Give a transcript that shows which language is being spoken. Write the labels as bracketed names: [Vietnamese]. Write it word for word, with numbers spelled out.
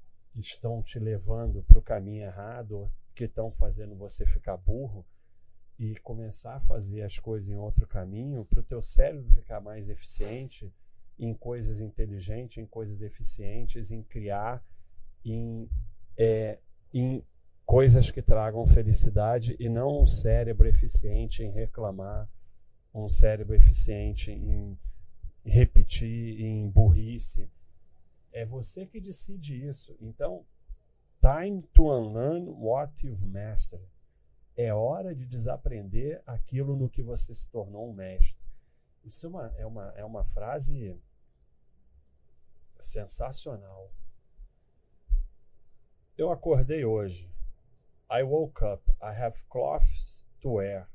[Portuguese] que estão te levando para o caminho errado, que estão fazendo você ficar burro, e começar a fazer as coisas em outro caminho, para o teu cérebro ficar mais eficiente em coisas inteligentes, em coisas eficientes, em criar, em, é, em coisas que tragam felicidade, e não um cérebro eficiente em reclamar, um cérebro eficiente em repetir, em burrice. É você que decide isso. [English] Então, time to unlearn what you've mastered. [Portuguese] É hora de desaprender aquilo no que você se tornou um mestre. Isso é uma, é uma, é uma frase sensacional. Eu acordei hoje. [English] I woke up. I have clothes to wear.